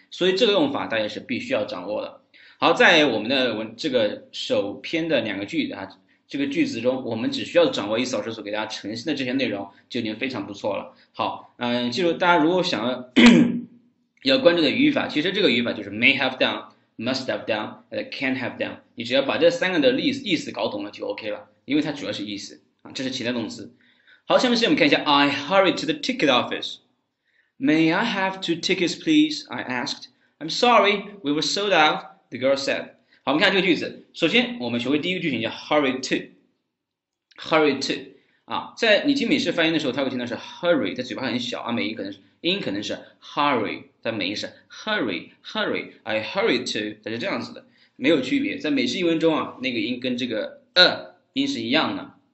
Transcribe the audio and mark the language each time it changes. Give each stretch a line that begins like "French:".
Chinese: 所以这个用法大家是必须要掌握的。好，在我们的这个首篇的两个句子啊，这个句子中，我们只需要掌握一小时所给大家呈现的这些内容，就已经非常不错了。好，记住大家如果想要 要关注的语法，其实这个语法就是 may have done。
English: Must have done and can't have done。
Chinese: 你只要把这三个的意思搞懂了就 OK 了，因为它主要是意思啊，这是情态动词。好，下面我们看一下，
English: I hurried to the ticket office. May I have two tickets, please? I asked. I'm sorry, we were sold out. The girl said.
Chinese: 好，我们看这个句子。首先，我们学会第一个句型叫 hurry to。Hurry to 啊，在你听美式发音的时候，它会听到是 hurry，它嘴巴很小啊，美音可能是。音可能是 hurry，但美音是 hurry，I hurry to，它是这样子的，没有区别。在美式英文中啊，那个音跟这个音是一样的。